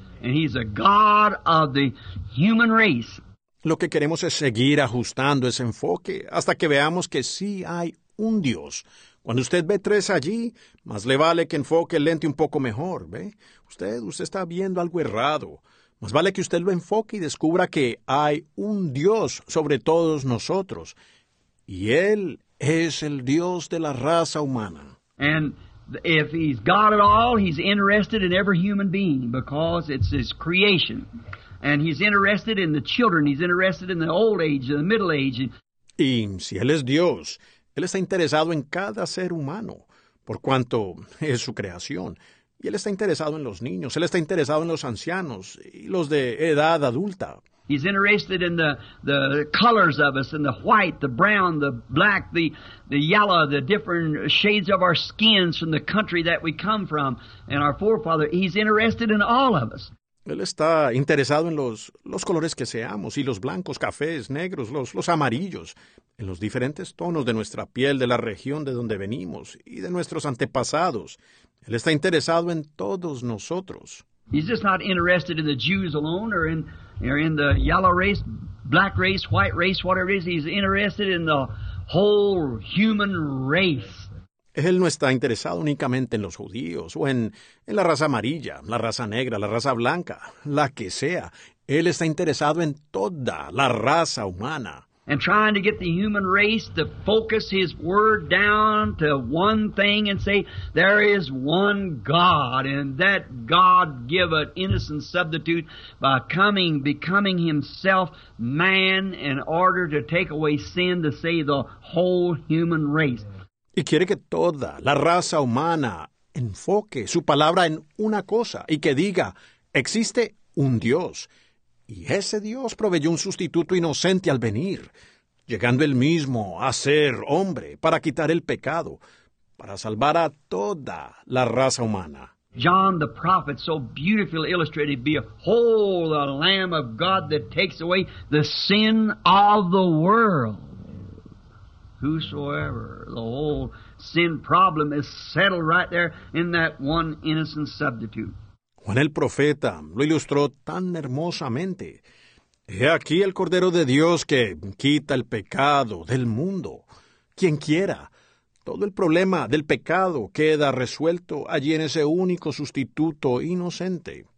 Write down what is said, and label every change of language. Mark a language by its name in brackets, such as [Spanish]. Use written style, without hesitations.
[English] And He's a God of the human race. [Spanish] Lo que queremos es seguir ajustando ese enfoque hasta que veamos que sí hay un Dios. Cuando usted ve tres allí, más le vale que enfoque el lente un poco mejor, ¿ve? Usted está viendo algo errado. Más vale que usted lo enfoque y descubra que hay un Dios sobre todos nosotros. Y Él es el Dios de la raza humana. [English] And if He's God at all, He's interested in every human being because it's His creation. And He's interested in the children. He's interested in the old age, the middle age. [Spanish] Y si Él es Dios, Él está interesado en cada ser humano, por cuanto es su creación. Y Él está interesado en los niños, Él está interesado en los ancianos y los de edad adulta. [English] He's interested in the colors of us, in the white, the brown, the black, the yellow, the different shades of our skins from the country that we come from and our forefather. He's interested in all of us. [Spanish] Él está interesado en los colores que seamos, y los blancos, cafés, negros, los amarillos, en los diferentes tonos de nuestra piel, de la región de donde venimos y de nuestros antepasados. Él está interesado en todos nosotros. [English] He's just not interested in the Jews alone or in the yellow race, black race, white race, whatever it is. He's interested in the whole human race. [Spanish] Él no está interesado únicamente en los judíos o en la raza amarilla, la raza negra, la raza blanca, la que sea. Él está interesado en toda la raza humana. [English] And trying to get the human race to focus His word down to one thing and say, there is one God, and that God give an innocent substitute by coming, becoming Himself man in order to take away sin to save the whole human race. [Spanish] Y quiere que toda la raza humana enfoque su palabra en una cosa y que diga, existe un Dios. Y ese Dios proveyó un sustituto inocente al venir, llegando Él mismo a ser hombre para quitar el pecado, para salvar a toda la raza humana. [English] John the prophet so beautifully illustrated, behold the Lamb of God that takes away the sin of the world. Whosoever, the whole sin problem is settled right there in that one innocent substitute. [Spanish] Juan el profeta lo ilustró tan hermosamente. He aquí el Cordero de Dios que quita el pecado del mundo. Quien quiera, todo el problema del pecado queda resuelto allí en ese único sustituto inocente.